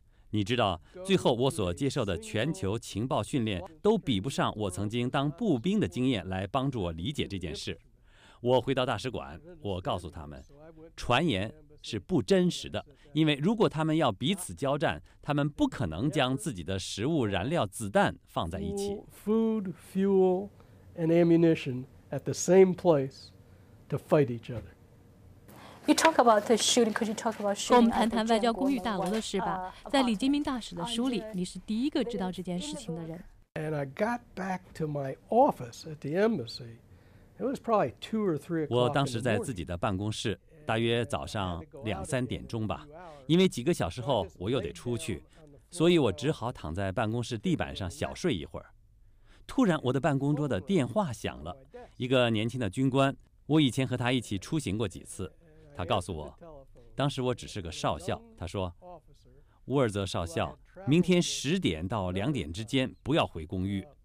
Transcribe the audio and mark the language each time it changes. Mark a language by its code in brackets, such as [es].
[zh] 你知道，最后我所接受的全球情报训练都比不上我曾经当步兵的经验来帮助我理解这件事。我回到大使馆，我告诉他们，传言是不真实的，因为如果他们要彼此交战，他们不可能将自己的食物、燃料、子弹放在一起。 [en] Food, fuel. And ammunition at the same place to fight each other. You talk about the shooting. Could you talk about shooting? [zh] 跟我们谈谈外交公寓大楼的事吧。在李金明大使的书里，你是第一个知道这件事情的人。 [en] And I got back to my office at the embassy. It was probably 2 or 3 o'clock. [zh] 我当时在自己的办公室，大约早上两三点钟吧，因为几个小时后我又得出去，所以我只好躺在办公室地板上小睡一会儿。突然我的办公桌的电话响了，一个年轻的军官，我以前和他一起出行过几次，他告诉我，当时我只是个少校，他说，沃尔泽少校，明天10点到2点之间不要回公寓。